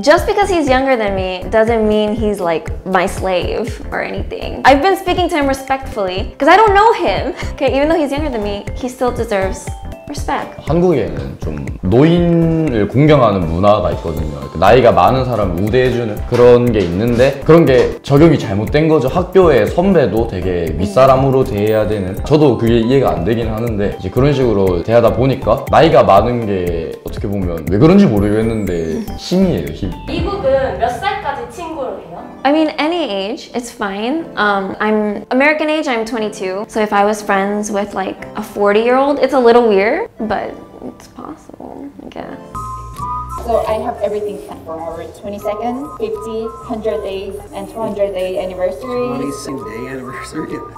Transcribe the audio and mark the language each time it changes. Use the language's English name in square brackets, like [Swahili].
[English] Just because he's younger than me doesn't mean he's like my slave or anything. I've been speaking to him respectfully because I don't know him. Okay, even though he's younger than me, he still deserves respect. [Korean] 한국에는 좀 노인을 공경하는 문화가 있거든요. 나이가 많은 사람을 우대해주는 그런 게 있는데 그런 게 적용이 잘못된 거죠. 학교의 선배도 되게 윗사람으로 대해야 되는 저도 그게 이해가 안 되긴 하는데 이제 그런 식으로 대하다 보니까 나이가 많은 게 어떻게 보면 왜 그런지 모르겠는데 힘이에요, 힘. 미국은 몇 살까지 친구로 해요? [English] I mean, any age, it's fine. I'm American age, I'm 22. So if I was friends with like a 40-year-old, it's a little weird, but it's possible, I guess. So I have everything set for our 22nd, 50, 100 days, and 200 day anniversary. 22nd day anniversary?